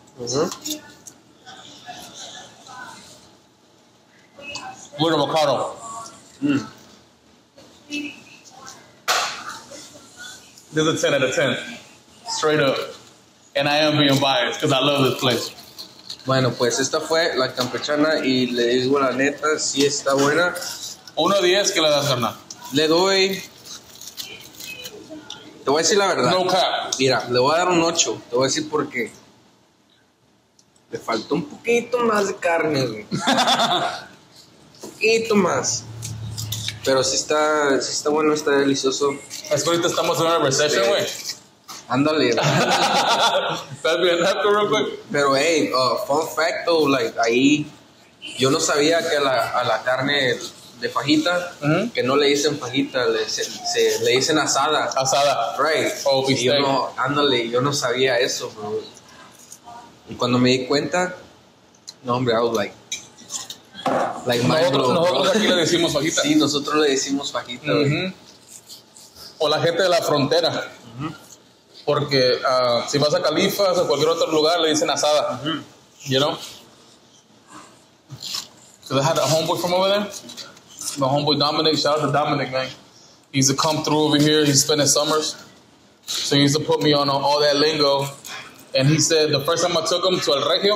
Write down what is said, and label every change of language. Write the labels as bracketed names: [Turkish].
[English] Mm-hmm. With avocado. Mm. This is a 10 out of 10. Straight up. And I am being biased because I love this place. [Spanish] Bueno, pues esta fue la campechana y le digo la neta, si está buena. 1 de 10, ¿qué le das, carna? Le doy... Te voy a decir la verdad. [English] No cap. [Spanish] Mira, le voy a dar un 8. Te voy a decir por qué. Le faltó un poquito más de carne, güey. Poquito más, pero si está bueno, está delicioso. Es que ahorita estamos en una recesión, güey. Ándale. ¿Estás bien, Nato, real quick? Pero, hey, fun fact, though, like, ahí yo no sabía que a la carne de fajita, uh-huh. que no le dicen fajita, le dicen asada. Asada. [English] Right. Oh, [Spanish] yo no, ándale, yo no sabía eso, bro. Y cuando me di cuenta, no, hombre, I was like, Nosotros aquí le decimos fajita. Sí, nosotros le decimos fajita. Uh-huh. O la gente de la frontera. Uh-huh. Porque si vas a Califas o cualquier otro lugar, le dicen asada. Uh-huh. [English] You know? So they had a homeboy from over there. My homeboy Dominic. Shout out to Dominic, man. He used to come through over here. He's spending summers. So he used to put me on all that lingo. And he said the first time I took him to El Regio,